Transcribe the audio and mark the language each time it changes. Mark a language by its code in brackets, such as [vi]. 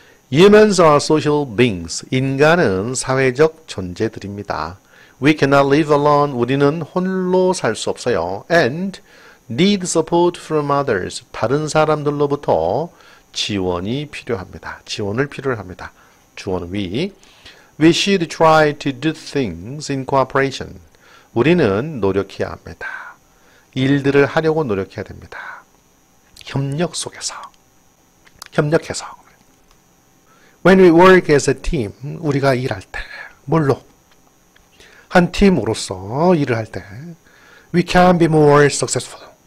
[en] Humans are social beings. [ko] 인간은 사회적 존재들입니다. [en] We cannot live alone. [ko] 우리는 홀로 살 수 없어요. [en] And need support from others. [ko] 다른 사람들로부터 지원이 필요합니다. 지원을 필요로 합니다. 주원 we. [en] We should try to do things in cooperation. [ko] 우리는 노력해야 합니다. 일들을 하려고 노력해야 됩니다. 협력 속에서. 협력해서. [en] When we work as a team, [ko] 우리가 일할 때, 뭘로? 한 팀으로서 일을 할 때, [en] we can be more successful.